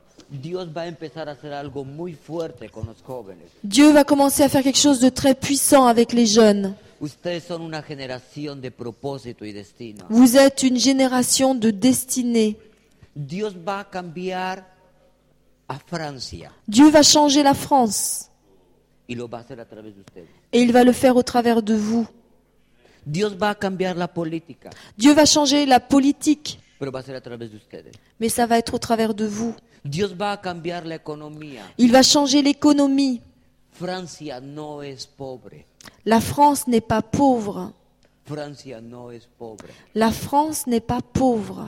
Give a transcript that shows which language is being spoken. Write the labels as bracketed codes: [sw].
[es] Dios va a empezar a hacer algo muy fuerte con los jóvenes. [fr] Dieu va commencer à faire quelque chose de très puissant avec les jeunes. [es] Ustedes son una generación de propósito y destino. [fr] Vous êtes une génération de destinée. [es] Dios va a cambiar a Francia. [fr] Dieu va changer la France. [es] Y lo va a hacer a través de ustedes. [fr] Et il va le faire au travers de vous. [es] Dios va a cambiar la política. [fr] Dieu va changer la politique. [es] Pero va a ser a través de ustedes. [fr] Mais ça va être au travers de vous. [es] Dios va a cambiar la economía. [fr] Il va changer l'économie. [es] Francia no es pobre. [fr] La France n'est pas pauvre. [es] Francia no es pobre. [fr] La France n'est pas pauvre.